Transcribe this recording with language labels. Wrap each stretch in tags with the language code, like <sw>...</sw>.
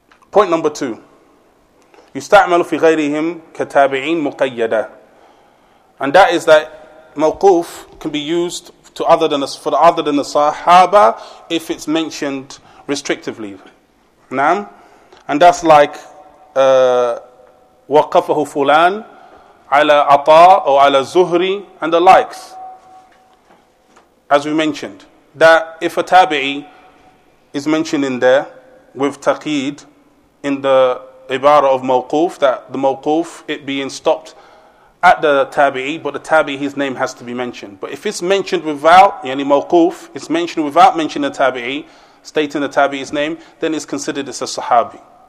<en>Point number two.</en> <ar>يُسْتَعْمَلُ فِي غَيْرِهِمْ كَتَابِعِينَ مُقَيَّدًا.</ar> <en>And that is that mawquf can be used to other than for other than the sahaba if it's mentioned restrictively. Naam? And that's like</en> <ar>وَقَفَهُ فُلَانَ عَلَى عَطَاءَ أَوْ عَلَى الزُّهْرِ and the likes.</ar> <en>As we mentioned, that if a tabi'i is mentioned in there with taqeed in the ibarah of mawquf, that the mawquf, it being stopped at the tabi'i, but the tabi'i's name has to be mentioned. But if it's mentioned without, yani mawquf, it's mentioned without mentioning the tabi'i, stating the tabi'i's name, then it's considered as a sahabi.</en>